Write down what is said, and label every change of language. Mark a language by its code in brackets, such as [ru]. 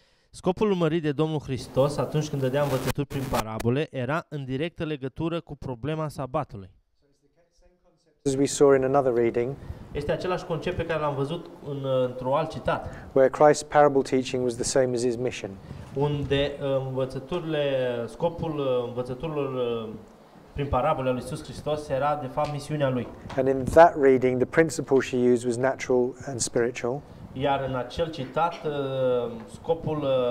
[ro] Scopul urmărit de Domnul Hristos atunci când dădea învățături prin parabole era în directă legătură cu problema sabatului. [en] As we saw in another reading, [ro] este același concept pe care l-am văzut în, într-o alt citat. [en] Where Christ's parable teaching was the same as his mission. [ro] Unde învățăturile, scopul învățăturilor prin parabole al lui Iisus Hristos era de fapt misiunea lui. [en] And in that reading, the principle she used was natural and spiritual. [ro] Iar în acel citat, scopul